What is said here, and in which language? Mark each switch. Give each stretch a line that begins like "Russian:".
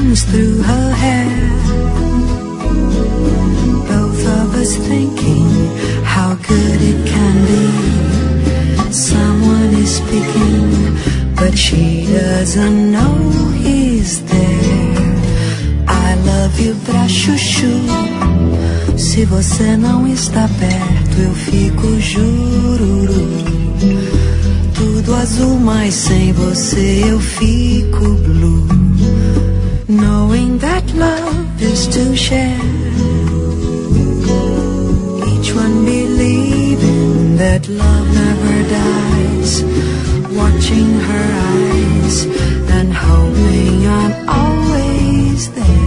English: Through her hair, both of us thinking how good it can be. Someone is speaking, but she doesn't know he's there. I love you
Portuguese: pra chuchu. Se você não está perto, eu fico jururu. Tudo azul, mas sem você eu fico blue.
English: Knowing that love is to share, each one believing that love never dies, watching her eyes and hoping I'm always there.